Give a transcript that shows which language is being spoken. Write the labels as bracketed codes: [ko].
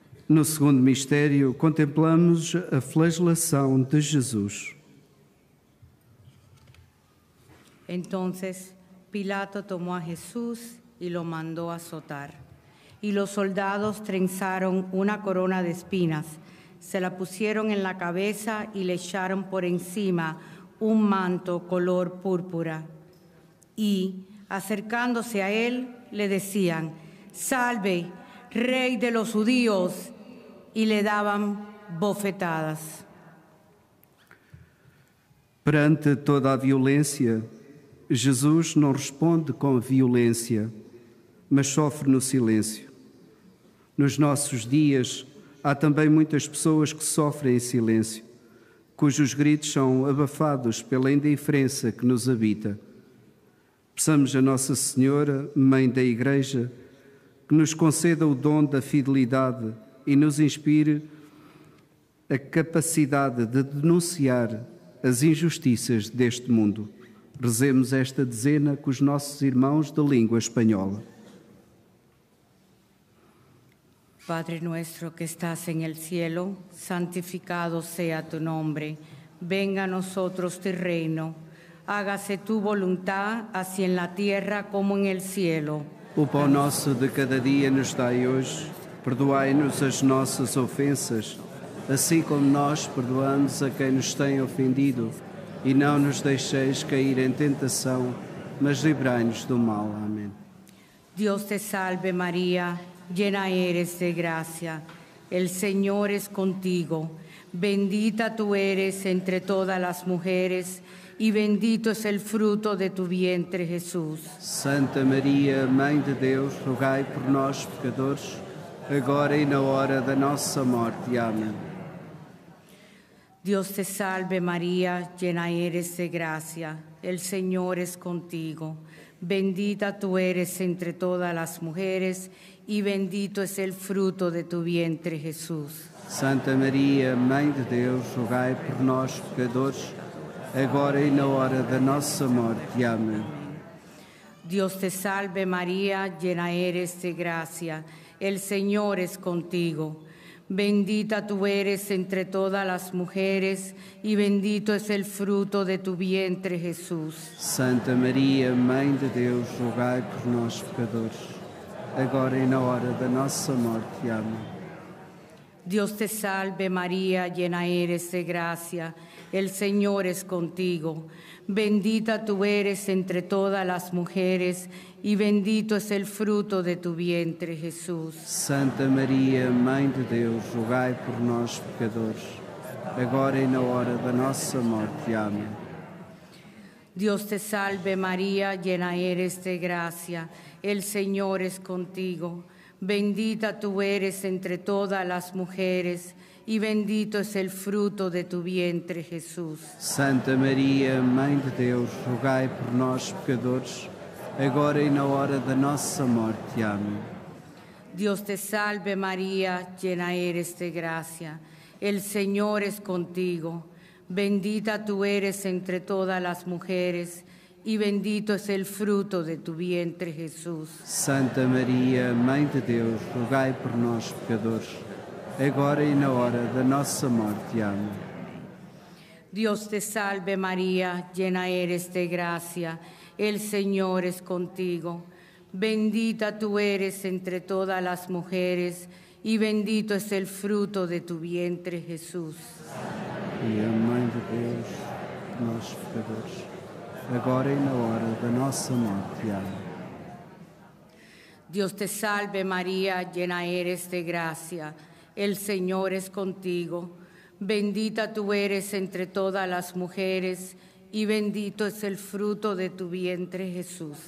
[pt] No segundo mistério, contemplamos a flagelação de Jesus. Então, Pilato tomou a Jesus e o mandou azotar. [es] Y los soldados trenzaron una corona de espinas, se la pusieron en la cabeza y le echaron por encima un manto color púrpura. Y, acercándose a él, le decían, «¡Salve, rey de los judíos!» y le daban bofetadas. [pt] Perante toda a violência, Jesus não responde com violência, mas sofre no silêncio. Nos nossos dias, há também muitas pessoas que sofrem em silêncio, cujos gritos são abafados pela indiferença que nos habita. Peçamos a Nossa Senhora, Mãe da Igreja, que nos conceda o dom da fidelidade e nos inspire a capacidade de denunciar as injustiças deste mundo. Rezemos esta dezena com os nossos irmãos de língua espanhola. [es] Padre nuestro que estás en el cielo, santificado sea tu nombre. Venga a nosotros tu reino. Hágase tu voluntad, así en la tierra como en el cielo. [pt] O pão nosso de cada dia nos dai hoje. Perdoai-nos as nossas ofensas, assim como nós perdoamos a quem nos tem ofendido. E não nos deixeis cair em tentação, mas livrai-nos do mal. Amém. Deus te salve, Maria. [es] Llena eres de gracia, el Señor es contigo, bendita tú eres entre todas las mujeres y bendito es el fruto de tu vientre, Jesús. [pt] Santa María, Mãe de Dios, rogai por nós, pecadores, agora y na hora de nossa morte. Amén. [es] Dios te salve, María, llena eres de gracia, el Señor es contigo, bendita tú eres entre todas las mujeres y bendito es el fruto de tu vientre, Jesús. [pt] Santa María, Mãe de Deus, rogai por nós, pecadores, agora y na hora de nossa morte. Amén. [es] Dios te salve, María, llena eres de gracia. El Señor es contigo. Bendita tú eres entre todas las mujeres y bendito es el fruto de tu vientre, Jesús. [pt] Santa María, Mãe de Deus, rogai por nós, pecadores, agora e na hora da nossa morte. Amém. [es] Dios te salve María, llena eres de gracia, el Señor es contigo. Bendita tú eres entre todas las mujeres y bendito es el fruto de tu vientre, Jesús. [pt] Santa María, Mãe de Deus, rogai por nós, pecadores, agora e na hora da nossa morte. Amém. [es] Dios te salve, María, llena eres de gracia, el Señor es contigo. Bendita tú eres entre todas las mujeres y bendito es el fruto de tu vientre, Jesús. [pt] Santa María, Mãe de Deus, rogai por nós, pecadores, agora e na hora da nossa morte. Amém. [es] Dios te salve, María, llena eres de gracia. El Señor es contigo. Bendita tú eres entre todas las mujeres y bendito es el fruto de tu vientre, Jesús. [pt] Santa María, Mãe de Deus, rogai por nós, pecadores, agora e na hora da nossa morte. Amém. [es] Dios te salve, María, llena eres de gracia. El Señor es contigo. Bendita tú eres entre todas las mujeres y bendito es el fruto de tu vientre, Jesús. [pt] María, Mãe de Deus, nós pecadores, agora e na hora da nossa morte. Amém. [es] Dios te salve, María, llena eres de gracia. El Señor es contigo. Bendita tú eres entre todas las mujeres y bendito es el fruto de tu vientre, Jesús.